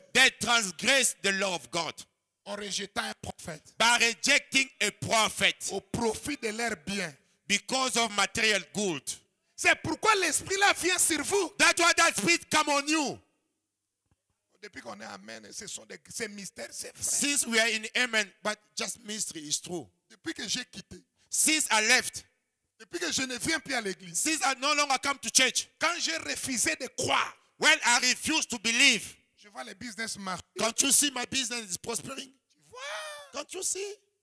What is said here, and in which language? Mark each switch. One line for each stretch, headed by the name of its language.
English: They transgressed the law of God.
French: En rejetant un prophète.
English: By rejecting a prophet.
French: Au profit de leur bien.
English: Because of material good.
French: C'est pourquoi l'esprit là vient sur vous.
English: That's why that spirit come on you.
French: Depuis qu'on est amen, ce sont des mystères, c'est vrai.
English: Since we are in amen, but just mystery is true.
French: Depuis que j'ai quitté.
English: Since I left.
French: Depuis que je ne viens plus à l'église.
English: Since I no longer come to church.
French: Quand j'ai refusé de croire.
English: When I refuse to believe.
French: Je vois les business marcher.
English: Can't you see my business is prospering?
French: Tu vois?
English: Can't you see?